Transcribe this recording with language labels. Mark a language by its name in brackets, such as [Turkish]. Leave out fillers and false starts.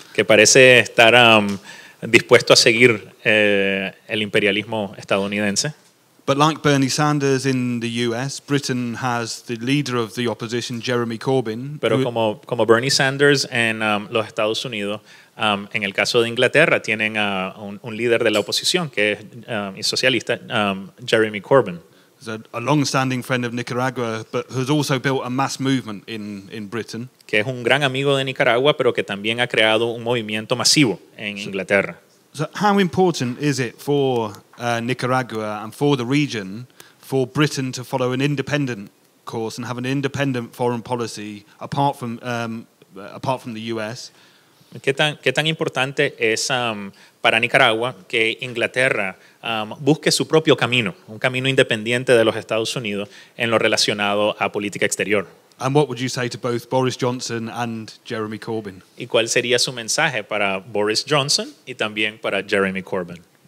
[Spanish] Que parece estar dispuesto a seguir el imperialismo estadounidense. [English] But like Bernie Sanders in the U.S., Britain has the leader of the opposition, Jeremy Corbyn. [Spanish] Pero como Bernie Sanders en los Estados Unidos, en el caso de Inglaterra, tienen a un líder de la oposición, que es socialista, Jeremy Corbyn. [English] He's a long-standing friend of Nicaragua, but has also built a mass movement in Britain. [Spanish] Que es un gran amigo de Nicaragua, pero que también ha creado un movimiento masivo en Inglaterra. [English] So how important is it for Nicaragua and for the region for Britain to follow an independent course and have an independent foreign policy apart from the U.S.? [Spanish] ¿Qué tan importante es para Nicaragua que Inglaterra busque su propio camino, un camino independiente de los Estados Unidos en lo relacionado a política exterior? [English] And what would you say to both Boris Johnson and Jeremy Corbyn? [Spanish] ¿Y cuál sería su mensaje para Boris Johnson y también para Jeremy Corbyn?